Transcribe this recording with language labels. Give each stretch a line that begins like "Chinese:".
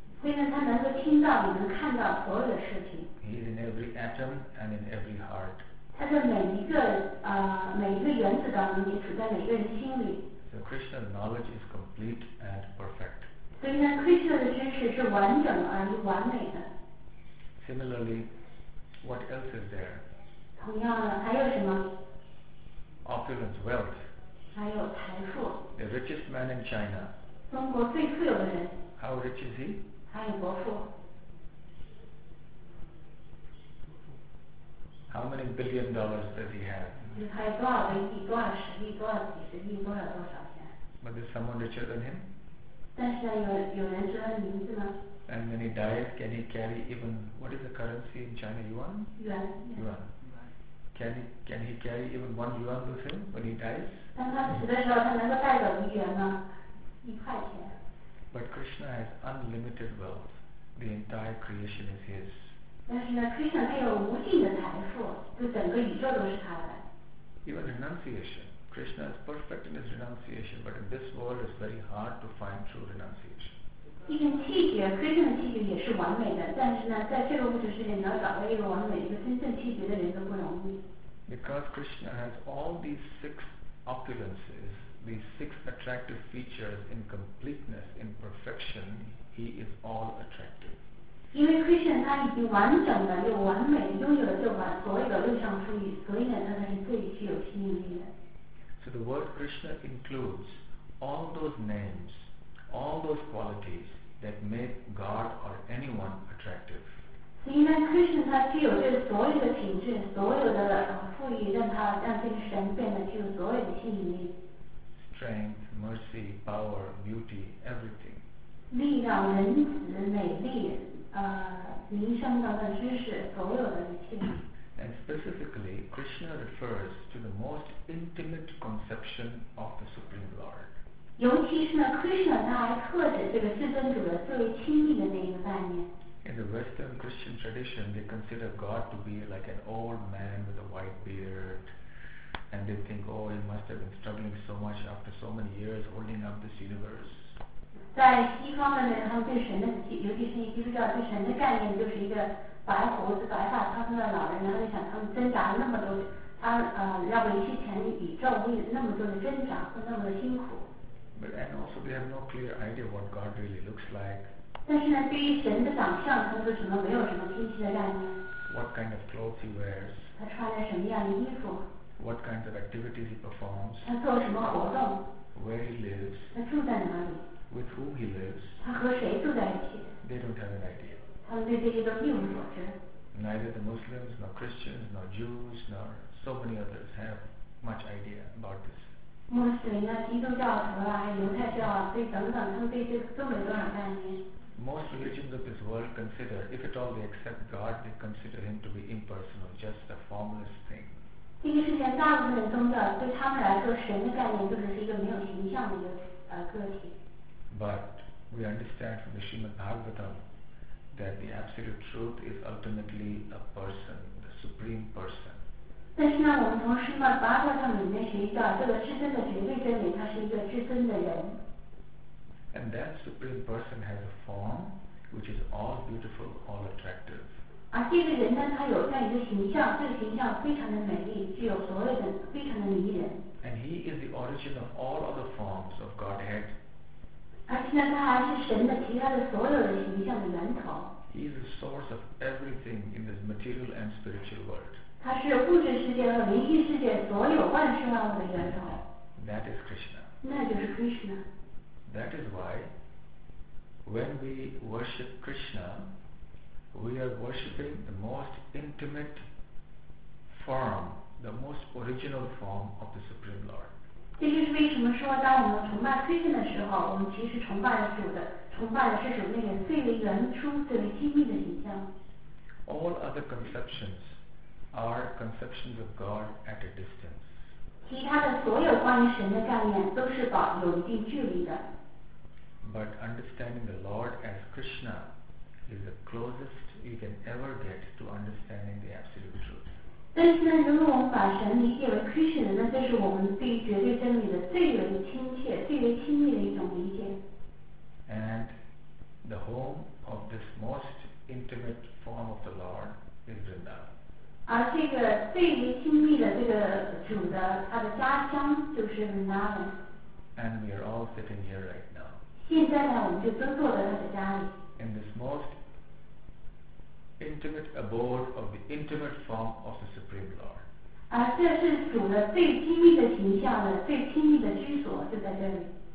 English: He is in every atom and in every heart.
Chinese: 他在每一个原子当中，也处在每个人心里。
English: So Krishna's knowledge is complete and perfect.
Chinese: 所以呢 ，Krishna 的知识是完整而又完美的。
English: Similarly, what else is there?
Chinese: 同样的，还有什么
English: ？Opulence, wealth.
Chinese: 还有财富。
English: The richest man in China.
Chinese: 中国最富有的人。
English: How rich is he?
Chinese: 他有多富？
English: How many billion dollars does he have?
Chinese: 他有多少个亿？多少十亿？多少几十亿？多少多少钱
English: ？But is someone richer than him?
Chinese: 但是呢，有人知道他的名字吗
English: ？And when he dies, can he carry even what is the currency in China? Yuan. Yuan. Can he carry even 1 yuan with him when he dies?
Chinese: 当他死的时候，他能够带走1元吗？一块钱。
English: But Krishna has unlimited wealth. The entire creation is his.
Chinese: 但是呢 ，Krishna 他有无尽的财富，就整个宇宙都是他的。
English: Even renunciation, Krishna is perfect in his renunciation, but in this world it's very hard to find true renunciation. even
Chinese: 气节 ，Krishna 的气节也是完美的，但是呢，在这个物质世界，你要找到一个完美、一个真正气节的人都不容易。
English: Because Krishna has all these 6 opulences, these 6 attractive features in completeness, in perfection, he is all attractive.
Chinese: 因为 Krishna 他已经完整的又完美拥有了这完所有的六项殊遇，所以呢，他才是最具有吸引力的。
English: So the word Krishna includes all those names, all those qualities that make God or anyone attractive.
Chinese: 所以呢 ，Krishna 他具有这所有的品质，所有的富裕，让这个神变得具有所有的吸引力。
English: Strength, mercy, power, beauty, everything.
Chinese: 力量、仁慈、美丽。名声的知识，所有的一切。
English: And specifically, Krishna refers to the most intimate conception of the Supreme Lord.
Chinese: 尤其是呢 ，Krishna 他还特指这个至尊主的最为亲密的那一个概念。
English: In the Western Christian tradition, they consider God to be like an old man with a white beard, and they think, oh, he must have been struggling so much after so many years holding up this universe.
Chinese: 在西方的人，他们对神的，尤其是基督教对神的概念，就是一个白胡子、白发苍苍的老人，然后想他们挣扎那么多，他要维系全宇宙，为那么多的挣扎和那么的辛苦。
English: But and also they have no clear idea what God really looks like.
Chinese: 但是呢，对于神的长相，他们为什么没有什么清晰的概念
English: ？What kind of clothes he wears?
Chinese: 他穿着什么样的衣服
English: ？What kinds of activities he performs?
Chinese: 他做什么活动
English: ？Where he lives?
Chinese: 他住在哪里？
English: With whom he lives,
Chinese: 他和谁住在一起
English: ？They don't have an idea.
Chinese: 他们对这些都一无所知。
English: Neither the Muslims, nor Christians, nor Jews, nor so many others have much idea about this.
Chinese: 穆斯林啊，基督教徒啊，还犹太教啊，对等等，他们对这都没多少概念。
English: Most religions of this world consider, if at all they accept God, they consider him to be impersonal, just a formless thing.
Chinese: 这个世界大部分宗教对他们来说，神的概念就只是一个没有形象的一个个体。
English: But we understand from the Srimad Bhagavatam that the absolute truth is ultimately a person, the supreme person.
Chinese: 但是呢，我们从 Srimad Bhagavatam 里面学习到，这个至尊的绝对真理，他是一个至尊的人。
English: And that supreme person has a form which is all beautiful, all attractive.
Chinese: 而这个人呢，他有这样一个形象，这个形象非常的美丽，具有所有的，非常的迷人。
English: And he is the origin of all other forms of Godhead.
Chinese: 而且呢，他还是神的其他的所有的形象的源头。
English: He is the source of everything in this material and spiritual world.
Chinese: 他是物质世界和灵异世界所有万事万物的源头。
English: That is Krishna.
Chinese: 那就是 Krishna.
English: That is why, when we worship Krishna, we are worshiping the most intimate form, the most original form of the Supreme Lord.
Chinese: 这就是为什么说，当我们崇拜 Krishna 的时候，我们其实崇拜的是的，崇拜的是什么？那个最为原初、最为亲密的形象。
English: All other conceptions are conceptions of God at a distance.
Chinese: 其他的所有关于神的概念都是保有一定距离的。
English: But understanding the Lord as Krishna is the closest you can ever get to understanding the absolute truth.
Chinese: 但是呢，如果我们把神理解为 Krishna， 那这是我们对于绝对真理的最为亲切、最为亲密的一种理解。
English: And the home of this most intimate form of the Lord is Vrindavan。
Chinese: 而这个最为亲密的这个主的，他的家乡就是 Vrindavan。
English: And we are all sitting here right now.
Chinese: 现在呢，我们就都坐在他的家里。
English: In this most intimate abode of the intimate form of the Supreme Lord.
Chinese: 啊，这是主的最亲密的形象的最亲密的居所，就在这里。